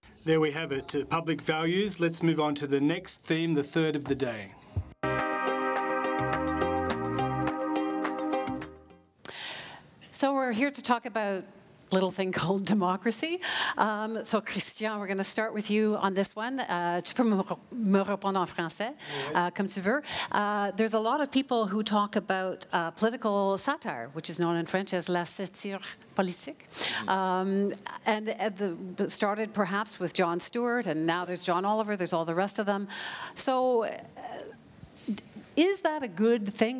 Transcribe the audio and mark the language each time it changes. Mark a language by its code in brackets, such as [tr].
[en] There we have it, public values. Let's move on to the next theme, the third of the day. So we're here to talk about little thing called democracy. So Christian, we're going to start with you on this one. [fr] Tu peux me répondre en français, comme tu veux. [en] There's a lot of people who talk about political satire, which is known in French as la satire politique. And started perhaps with John Stewart, and now there's John Oliver, there's all the rest of them. So is that a good thing?